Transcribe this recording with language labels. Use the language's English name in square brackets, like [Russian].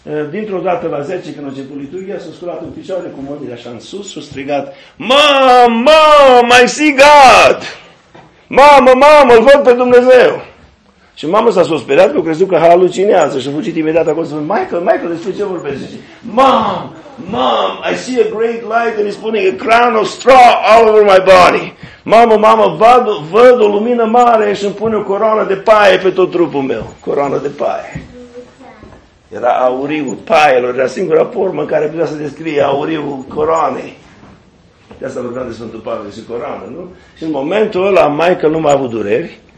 [Romanian] Dintr-o dată la 10 când a început liturghia s-a sculat în picioare cu mâinile așa în sus și a strigat: mamă, [English] I see God! [Romanian] Mamă, îl văd pe Dumnezeu! Și mama s-a speriat, că a crezut că halucinează și a fugit imediat acolo și spune, Michael, Michael, despre ce vorbești? Zice, [English] Mom, Mom, I see a great light and he's putting a crown of straw all over my body. [Romanian] Mama, mama, văd o lumină mare și îmi pune o coroană de paie pe tot trupul meu. Coroană de paie. Era auriul paielor, era singura formă în care putea să descrie auriul coroanei. De asta vorbeam de Sfântul Pavel și coroană, nu? Și în momentul ăla, Michael nu mai a avut dureri.